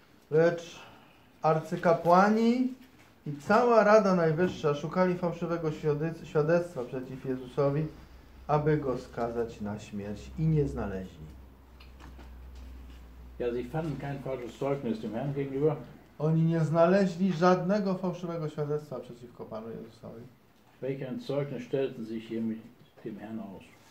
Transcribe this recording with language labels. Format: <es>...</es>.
<pl>Lecz arcykapłani i cała Rada Najwyższa szukali fałszywego świadectwa przeciw Jezusowi, aby go skazać na śmierć, i nie znaleźli.</pl> <de>Ja, sie fanden kein falsches Zeugnis dem Herrn gegenüber.</de> <pl>Oni nie znaleźli żadnego fałszywego świadectwa przeciwko Panu Jezusowi.</pl> <de>Welchen Zeugnis stellten sich hier mit dem Herrn aus?</de>